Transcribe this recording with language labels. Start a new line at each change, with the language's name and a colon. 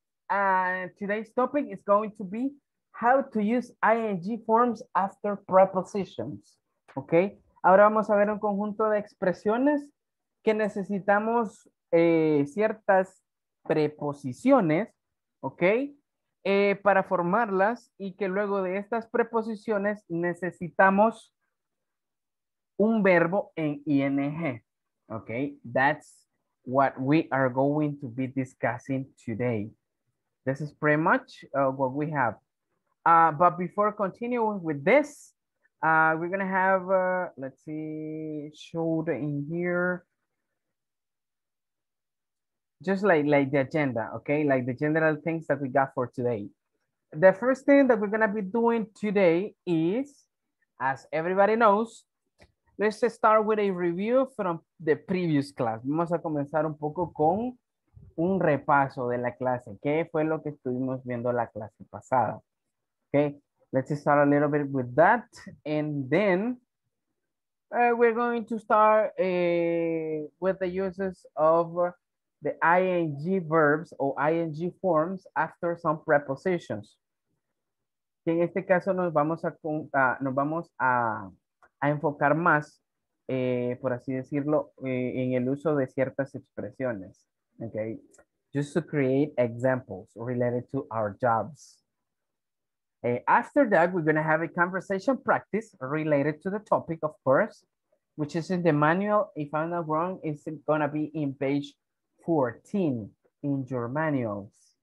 English: And today's topic is going to be how to use ing forms after prepositions. Okay.
Spanish: Ahora vamos a ver un conjunto de expresiones que necesitamos ciertas preposiciones, okay, para formarlas, y que luego de estas preposiciones necesitamos un verbo en ing.
English: Okay, that's what we are going to be discussing today. This is pretty much what we have. But before continuing with this, we're gonna have, let's see, shoulder in here. Just like the agenda, okay? Like the general things that we got for today. The first thing that we're gonna be doing today is, as everybody knows, let's start with a review from the previous class.
Spanish: Vamos a comenzar un poco con un repaso de la clase. ¿Qué fue lo que estuvimos viendo la clase pasada?
English: Okay, let's start a little bit with that. And then we're going to start with the uses of the ing verbs or ing forms after some prepositions.
Spanish: En este caso nos vamos a enfocar más, por así decirlo, en el uso de ciertas expresiones.
English: Okay, just to create examples related to our jobs. After that, we're gonna have a conversation practice related to the topic, of course, which is in the manual. If I'm not wrong, it's gonna be in page 14 in your manuals.